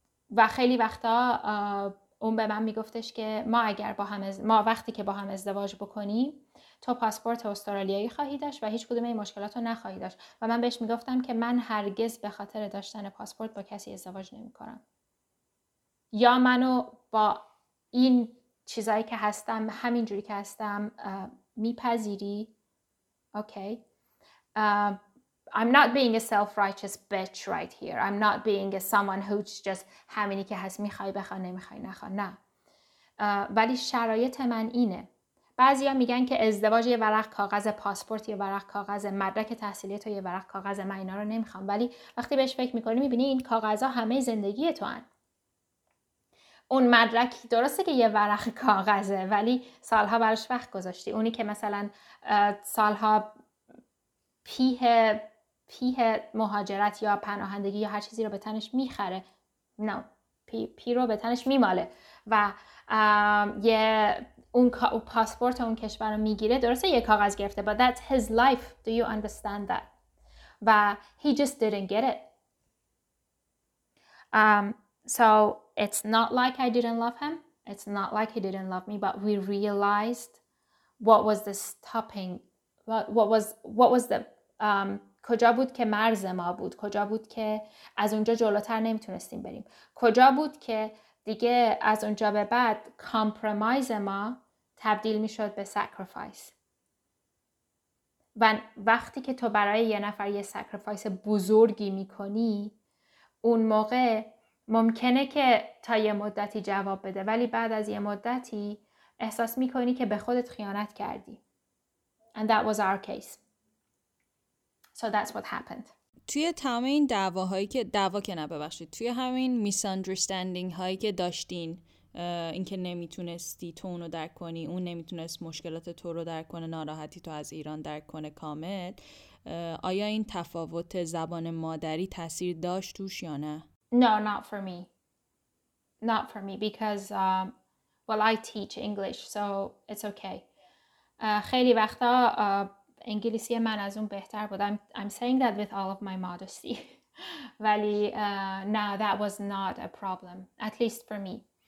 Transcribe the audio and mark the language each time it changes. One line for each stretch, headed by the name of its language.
Persian: و خیلی وقتا اون به من میگفتش که ما وقتی که با هم ازدواج بکنیم، تو پاسپورت استرالیایی خواهی داشت و هیچ کدوم این مشکلات رو نخواهی داشت. و من بهش میگفتم که من هرگز به خاطر داشتن پاسپورت با کسی ازدواج نمیکنم. یا منو با این چیزایی که هستم، همین جوری که هستم، میپذیری؟ اوکی.
English: I'm not being a self-righteous bitch right here. I'm not being a someone who's just
Persian: همینی که هست میخوای بخواه نمیخوای نخواه. نه. ولی شرایط من اینه. بعضیا میگن که ازدواج یه ورق کاغذ، پاسپورت یه ورق کاغذ، مدرک تحصیلی تو یه ورق کاغذ، من اینا رو نمیخوام. ولی وقتی بهش فکر میکنی میبینی این کاغذ همه زندگی تو هن. اون مدرک درسته که یه ورق کاغذه، ولی سالها براش وقت گذاشتی. اونی که مثلا سالها پیه مهاجرت یا پناهندگی یا هر چیزی رو به تنش میخره، نه، پی رو به تنش میماله و یه اون پاسپورت اون کشور رو میگیره، درسته یه کاغذ گرفته،
English: but that's his life. Do you understand that?
Persian: و
English: he just didn't get it. So it's not like I didn't love him. It's not like he didn't love me. But we realized what was the stopping. What was the
Persian: کجا بود که مرز ما بود؟ کجا بود که از اونجا جلوتر نمیتونستیم بریم؟ کجا بود که دیگه از اونجا به بعد کامپرمایز ما تبدیل میشد به سکرفایس؟ و وقتی که تو برای یه نفر یه سکرفایس بزرگی میکنی، اون موقع ممکنه که تا یه مدتی جواب بده، ولی بعد از یه مدتی احساس میکنی که به خودت خیانت کردی.
English: And that was our case. So that's what happened.
Persian: توی تمام این دعواهایی که توی همین میساندرستندینگ هایی که داشتین، اینکه نمیتونستی تو اونو درک کنی، اون نمیتونست مشکلات تو رو درک کنه، ناراحتی تو از ایران درک کنه کامل، آیا این تفاوت زبان مادری تأثیر داشت توش یا نه؟
English: No, not for me. Not for me because I teach English, so it's okay.
Persian: خیلی وقتا انگلیسی من از اون بهتر بود.
English: I'm saying that with all of my modesty.
Persian: ولی
English: no, that was not a problem, at least for me.